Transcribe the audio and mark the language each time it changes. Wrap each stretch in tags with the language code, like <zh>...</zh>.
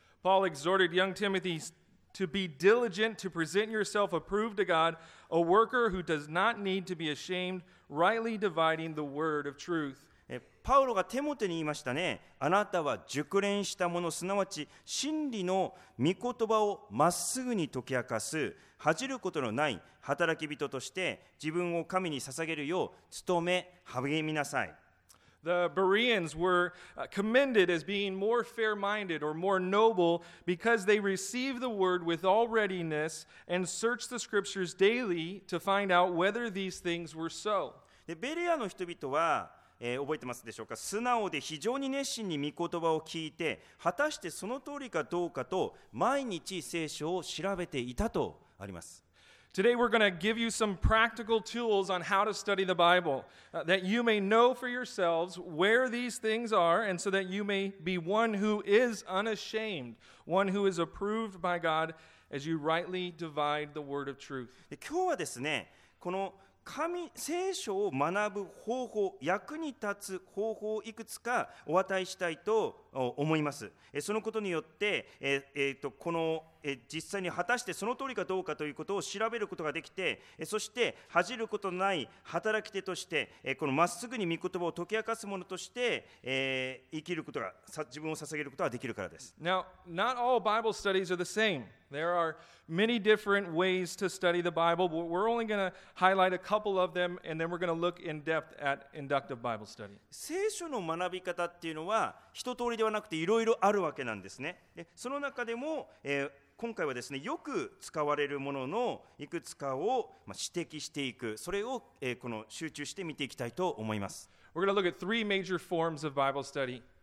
<en>Paul exhorted young Timothy to be diligent to present yourself approved to God, a worker who does not need to be ashamed, rightly dividing the word of truth.</en> <ja>パウロがテモテに言いましたね。あなたは熟練したもの、すなわち真理の御言葉をまっすぐに解き明かす、恥じることのない働き人として自分を神に捧げるよう努め励みなさい。</ja> <en>The Bereans were commended as being more fair-minded or more noble because they received the word with all readiness and searched the scriptures daily to find out whether these things were so.</en> <ja>で、ベレアの人々は、覚えてますでしょうか？素直で非常に熱心に御言葉を聞いて、果たしてその通りかどうかと毎日聖書を調べていたとあります。</ja> <en>Today we're going to give you some practical tools on how to study the Bible, that you may know for yourselves where these things are, and so that you may be one who is unashamed, one who is approved by God as you rightly divide the word of truth.</en> <ja>今日はですね、この神、聖書を学ぶ方法、役に立つ方法をいくつかお与えしたいと思います。そのことによって、この実際に果たしてその通りかどうかということを調べることができて、そして恥じることのない働き手として、このまっすぐに御言葉を解き明かすものとして、生きることが、自分を捧げることができるからです。</ja> <en>Now, not all Bible studies are the same. There are many different ways to study the Bible, but we're only going to highlight a couple of them, and then we're going to look in depth at inductive Bible study.</en> <ja>聖書の学び方っていうのは一通りではなくていろいろあるわけなんですね。で、その中でも、今回はですね、よく使われるもののいくつかを指摘していく、それを、この集中して見ていきたいと思います。</ja> <en>We're going to look at three major forms of Bible study.</en>